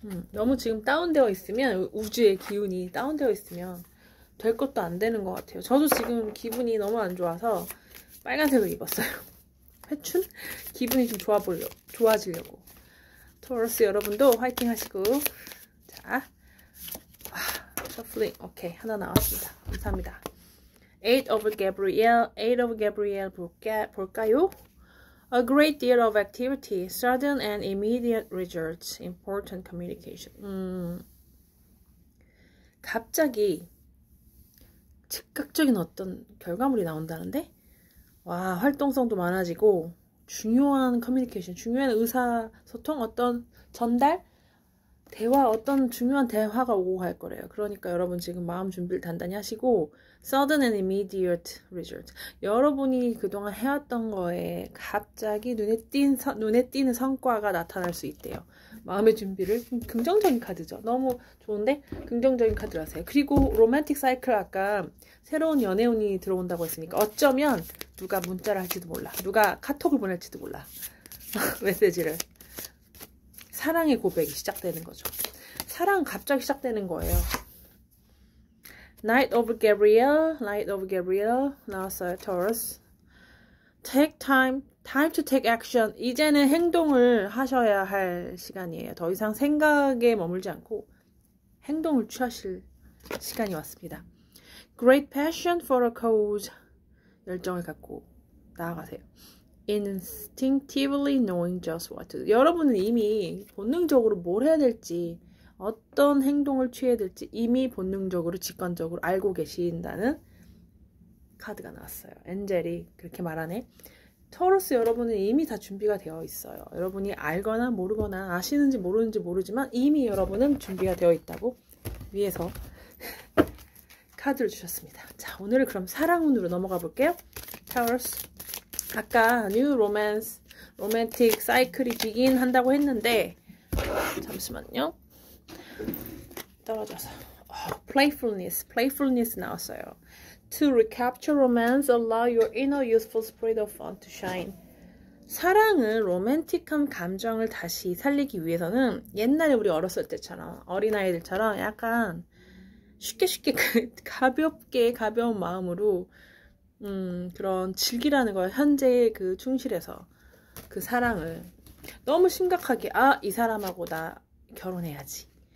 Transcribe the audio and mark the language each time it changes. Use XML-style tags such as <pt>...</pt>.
<ko>너무 지금 다운되어 있으면, 우주의 기운이 다운되어 있으면 될 것도 안 되는 것 같아요. 저도 지금 기분이 너무 안 좋아서 빨간색을 입었어요. 회춘? 기분이 좀 좋아지려고. 토러스 여러분도 화이팅 하시고. 자, 와, 셔플링. 오케이, 하나 나왔습니다. 감사합니다. 8 of Gabrielle 볼까요?</ko> <en>A great deal of activity, sudden and immediate results, important communication.</en> <ko>갑자기 즉각적인 어떤 결과물이 나온다는데? 와, 활동성도 많아지고, 중요한 커뮤니케이션, 중요한 의사소통, 어떤 전달, 대화, 어떤 중요한 대화가 오고 갈 거래요. 그러니까 여러분 지금 마음 준비를 단단히 하시고,</ko> <en>sudden and immediate results.</en> <ko>여러분이 그동안 해왔던 거에 갑자기 눈에 띄는 성과가 나타날 수 있대요. 마음의 준비를. 긍정적인 카드죠. 너무 좋은데? 긍정적인 카드로 하세요. 그리고 로맨틱 사이클, 아까 새로운 연애운이 들어온다고 했으니까 어쩌면 누가 문자를 할지도 몰라. 누가 카톡을 보낼지도 몰라. 메시지를. 사랑의 고백이 시작되는 거죠. 사랑 갑자기 시작되는 거예요. Knight of Gabriel 나왔어요.</ko> <en>Taurus. Take time. Time to take action.</en> <ko>이제는 행동을 하셔야 할 시간이에요. 더 이상 생각에 머물지 않고 행동을 취하실 시간이 왔습니다.</ko> <en>Great passion for a cause.</en> <ko>열정을 갖고 나아가세요.</ko> <en>Instinctively knowing just what to do.</en> <ko>여러분은 이미 본능적으로 뭘 해야 될지, 어떤 행동을 취해야 될지 이미 본능적으로, 직관적으로 알고 계신다는 카드가 나왔어요. 엔젤이 그렇게 말하네. 토러스 여러분은 이미 다 준비가 되어 있어요. 여러분이 알거나 모르거나 아시는지 모르는지 모르지만 이미 여러분은 준비가 되어 있다고 위에서 카드를 주셨습니다. 자, 오늘은 그럼 사랑운으로 넘어가 볼게요. 토러스, 아까 뉴 로맨스, 로맨틱 사이클이 비긴 한다고 했는데, 잠시만요. 떨어져서. Playfulness 나왔어요.</ko> <en>To recapture romance, allow your inner youthful spirit of fun to shine.</en> <ko>사랑은 로맨틱한 감정을 다시 살리기 위해서는 옛날에 우리 어렸을 때처럼, 어린아이들처럼 약간 쉽게 쉽게 가볍게 가벼운 마음으로 그런 즐기라는 거야. 현재의 그 충실해서 그 사랑을 너무 심각하게, 아, 이 사람하고 나 결혼해야지.</ko>